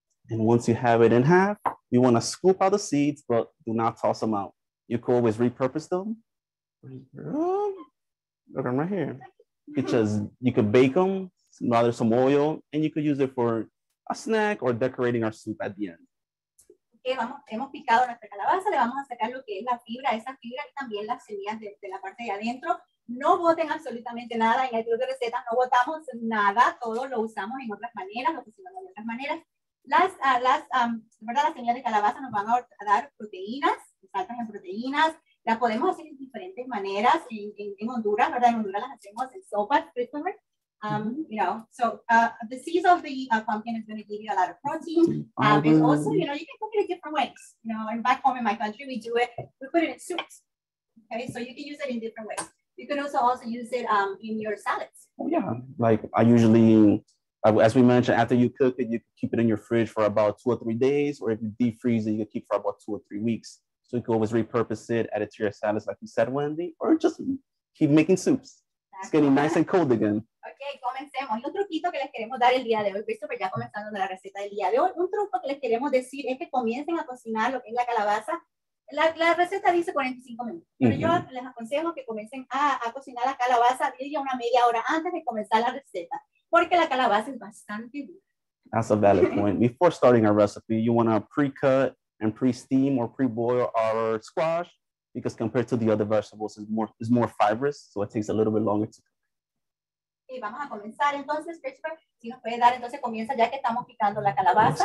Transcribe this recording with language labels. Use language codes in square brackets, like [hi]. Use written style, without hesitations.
[en] And once you have it in half, you want to scoop out the seeds, but do not toss them out. You could always repurpose them. Look, I'm right here. Because you could bake them, rather some oil, and you could use it for a snack or decorating our soup at the end. [es] Okay, vamos, hemos picado nuestra calabaza, le vamos a sacar lo que es la fibra, esa fibra y también las semillas de la parte de adentro. No boten absolutamente nada, en el club de recetas no botamos nada, todo lo usamos en otras maneras, lo cocinamos de otras maneras. Las semillas de calabaza nos van a dar proteínas, faltan las proteínas. La podemos hacer en diferentes maneras en Honduras, ¿verdad? En Honduras las hacemos en sopas, Christopher. [en] The seeds of the pumpkin is going to give you a lot of protein. And also, you know, you can cook it in different ways. You know, and back home in my country, we put it in soups. Okay, so you can use it in different ways. You can also use it in your salads. Yeah, like I usually, as we mentioned, after you cook it, you can keep it in your fridge for about 2 or 3 days, or if you deep freeze it, you can keep it for about 2 or 3 weeks. So you can always repurpose it, add it to your salads, like you said, Wendy, or just keep making soups. It's getting nice and cold again. [es] Okay, comencemos. Y un truquito que les queremos dar el día de hoy, Christopher, ya comenzando la receta del día de hoy. Un truco que les queremos decir es que comiencen a cocinar lo que es la calabaza. La receta dice 45 minutos. Pero yo les aconsejo que comiencen a cocinar la calabaza ya una media hora antes de comenzar la receta. Porque la calabaza es bastante dura. [en] That's a valid point. Before starting our recipe, you want to pre-cut and pre-steam or pre-boil our squash, because compared to the other vegetables, it's more fibrous, so it takes a little bit longer to cook. [es] Okay, vamos a comenzar entonces, Christopher. Si nos puede dar, entonces comienza ya que estamos picando la calabaza.